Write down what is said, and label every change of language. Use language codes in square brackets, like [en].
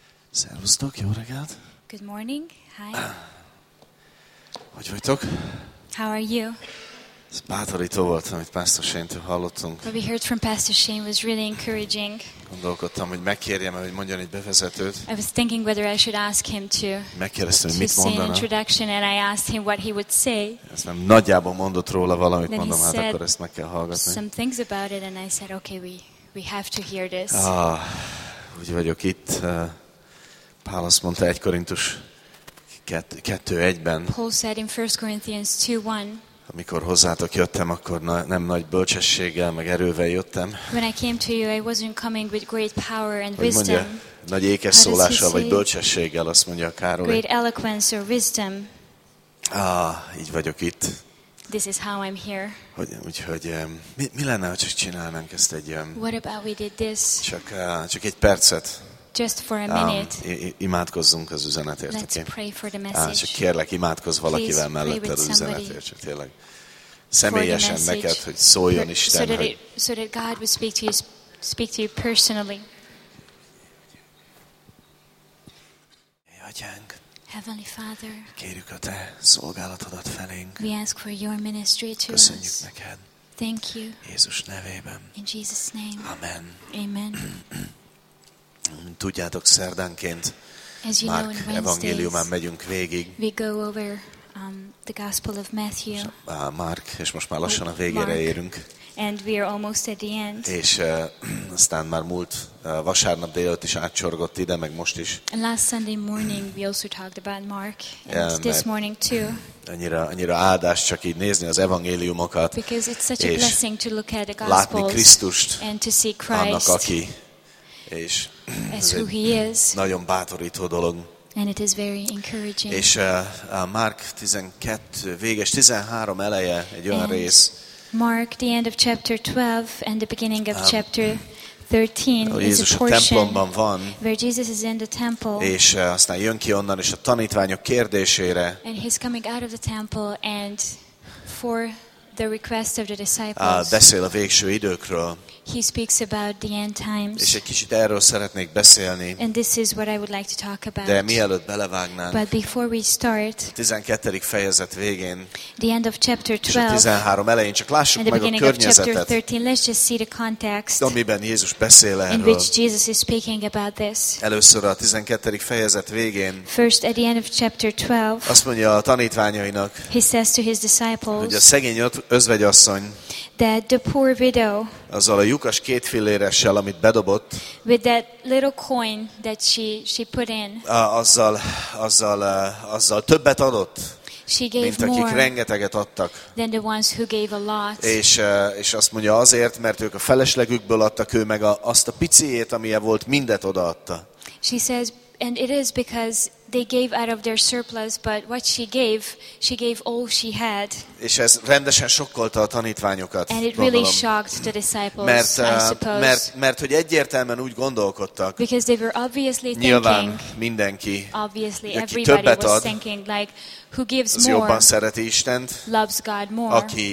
[hu] Szervusztok, jó reggelt. [en] Good morning. Hi. [hu] Hogy vagytok? [en] How are you? [hu] Ez bátorító volt, amit Pastor Shane-től hallottunk. [en] What we heard from Pastor Shane was really encouraging. [hu] Gondolkodtam, hogy megkérjem, hogy mondjon egy bevezetőt. [en] I was thinking whether I should ask him to. [hu] Megkérdeztem, hogy mit mondana. [en] Introduction, and I asked him what he would say. [hu] Azt nem nagyjából mondott róla valamit, [en] then [hu] mondom, hát akkor ezt meg kell hallgatni. [en] Some things about it, and I said, okay, we have to hear this. [hu] Ah, úgy vagyok itt. Pál azt mondta 1 Korintus 2:1-ben. [en] Paul said in 1 Corinthians 2:1. [hu] Amikor hozzátok jöttem, akkor nem nagy bölcsességgel, meg erővel jöttem. [en] When I came to you, I wasn't coming with great power and wisdom. [hu] Mondja, nagy ékes szólással vagy bölcsességgel, azt mondja a Károly. [en] Great eloquence or wisdom. [hu] Ah, így vagyok itt. [en] This is how I'm here. [hu] Úgyhogy mi lenne, ha csak csinálnánk ezt egy... [en] What about we did this? [hu] Csak egy percet. [en] Just for a minute. [hu] Imádkozzunk az üzenetért. [en] Let's pray for the message. [hu] Csak kérlek, imádkozz valakivel mellette az üzenetért. Csak tényleg személyesen neked, hogy szóljon Isten. [en] So that God would speak to you personally. [hu] Atyánk, [en] Heavenly Father, [hu] kérjük a te szolgálatodat felénk. [en] We ask for your ministry to us. [hu] Köszönjük neked. [en] Thank you. [hu] Jézus nevében. [en] In Jesus' name. Amen. Amen. [hu] Tudjátok, szerdánként Márk evangéliumán megyünk végig. [en] We go over the Gospel of Matthew. [hu] Márk, és most már lassan a végére érünk. [en] And we are almost at the end. [hu] És aztán már múlt vasárnap délelőtt is átcsorgott ide, meg most is. [en] And last Sunday morning we also talked about Mark, and this morning too. [hu] Annyira áldás csak így nézni az evangéliumokat. [en] Because it's such a blessing to look at the Gospels. [hu] Látni Krisztust, [en] and to see Christ. [hu] Annak, aki. És ez [en] who he is. [hu] Nagyon bátorító dolog. [en] And it is very encouraging. [hu] És Márk 12, véges 13 eleje egy olyan [en] and [hu] rész. [en] Mark, the end of chapter 12 and the beginning of chapter 13 is [hu] Jézus [en] a portion. [hu] Jézus a templomban van. [en] Where Jesus is in the temple. [hu] És aztán jön ki onnan, és a tanítványok kérdésére. [en] And he's coming out of the temple and for the request of the disciples. [hu] Beszél a végső időkről. [en] He speaks about the end times. [hu] És egy kicsit erről szeretnék beszélni. [en] And this is what I would like to talk about. [hu] De mielőtt belevágnánk. [en] But before we start. [hu] 12. fejezet végén. [en] The end of chapter 12. [hu] 13 elején csak lássuk meg a környezetet. [en] Chapter 13, let's just see the context. [hu] Amiben Jézus beszél erről. [en] In which Jesus is speaking about this. [hu] Először a 12. fejezet végén. [en] First at the end of chapter 12. [hu] Azt mondja a tanítványainak. [en] He says to his disciples. [hu] Hogy a szegény özvegyasszony. [en] That the poor widow. [hu] Azzal a lyukas két filléressel, amit bedobott. [en] With that little coin that she put in. [hu] Azzal többet adott. [en] She gave [hu] mint akik [en] more [hu] rengeteget adtak. [en] Than the ones who gave a lot. [hu] És azt mondja azért, mert ők a feleslegükből adtak, ő meg azt a piciét, amilye volt, mindet odaadta. [en] She says, and it is because they gave out of their surplus, but what she gave all she had. [hu] És ez rendesen sokkolta a tanítványokat. [en] And it really shocked the disciples, [hu] mert, [en] I suppose. [hu] Mert hogy egyértelműen úgy gondolkodtak. [en] Because they were obviously [hu] nyilván [en] thinking, [hu] mindenki, [en] obviously [hu] aki [en] everybody [hu] többet [en] was [hu] ad, [en] thinking, like, who gives [hu] az [en] more, [hu] jobban szereti Istent, [en] loves God more.